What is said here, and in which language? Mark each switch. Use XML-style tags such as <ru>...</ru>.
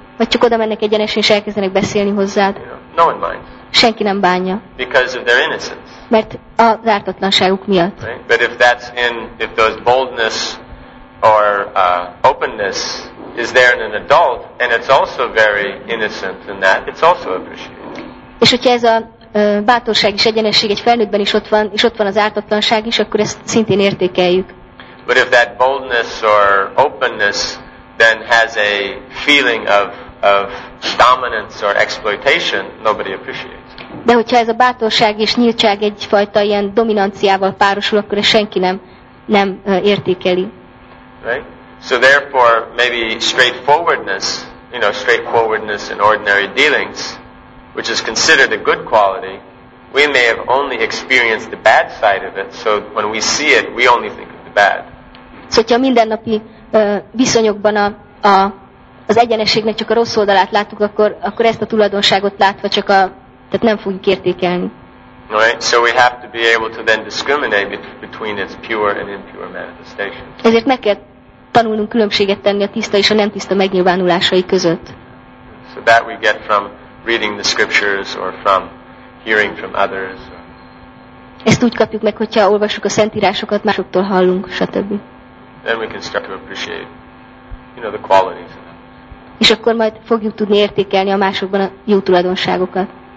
<hu>Vagy csak oda mennek egyenesen, és elkezdenek beszélni hozzád.</hu> <en>No one minds.</en> <hu>Senki nem bánja.</hu> <en>Because of their innocence.</en> <hu>Mert az ártatlanságuk miatt.</hu> <en>Right? But if that's in, if those boldness or openness is there in an adult, and it's also very innocent in that, it's also appreciated.</en> <hu>És hogyha ez a bátorság és egyenesség egy felnőttben is ott van, és ott van az ártatlanság is, akkor ezt szintén értékeljük.</hu> <en>But if that boldness or openness then has a feeling of dominance or exploitation, nobody appreciates.</en> <hu>De hogyha ez a bátorság és nyíltság egyfajta ilyen dominanciával párosul, akkor ezt senki nem értékeli.</hu> <en>Right? So therefore, maybe straightforwardness, you know, straightforwardness in ordinary dealings, which is considered a good quality, we may have only experienced the bad side of it, so when we see it, we only think of the bad.</en> <hu>So, hogyha a mindennapi viszonyokban az egyenességnek csak a rossz oldalát látjuk, akkor ezt a tulajdonságot látva csak tehát nem fogjuk értékelni.</hu> <en>Right? So we have to be able to then discriminate between its pure and impure manifestations.</en> <hu>Ezért meg kell tanulnunk különbséget tenni a tiszta és a nem tiszta megnyilvánulásai között.</hu> <en>So that we get from reading the scriptures or from hearing from others.</en> <hu>Ezt úgy kapjuk meg, hogyha olvassuk a szentírásokat, másoktól hallunk, stb.</hu> <en>Then we can start to appreciate, you know, the qualities of them.</en> <hu>És akkor majd fogjuk tudni értékelni a másokban a jó tulajdonságokat.</hu>